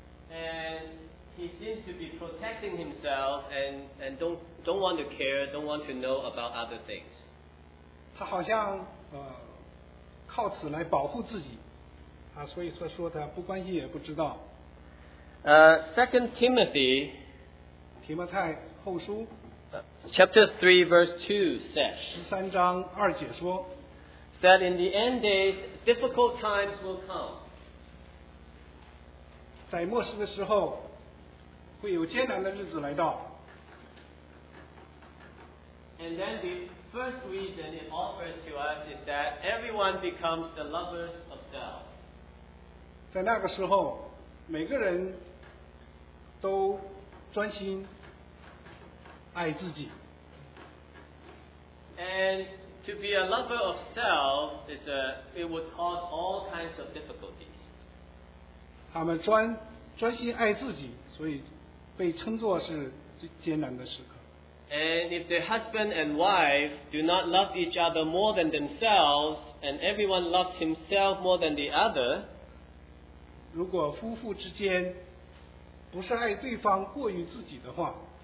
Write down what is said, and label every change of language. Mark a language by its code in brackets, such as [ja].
[en] And he seems to be protecting himself and don't want to care, don't want to know about other things. [zh] 他好像靠此来保护自己啊，所以说他不关心也不知道。 [en] Second Timothy, [zh] 提摩太后书 [en] Chapter 3 verse 2 says, [zh] 十三章二节说 [en] that in the end days, difficult times will come. [zh] 在末世的时候会有艰难的日子来到。 [en] And then the first reason it offers to us is that everyone becomes the lovers of self. [zh] 在那个时候每个人都专心爱自己。 [en] And to be a lover of self, it would cause all kinds of difficulties. [zh] 他们专心爱自己所以被称作是艰难的时刻。 [en] And if the husband and wife do not love each other more than themselves, and everyone loves himself more than the other, [zh] 如果夫妇之间不是爱对方过于自己的话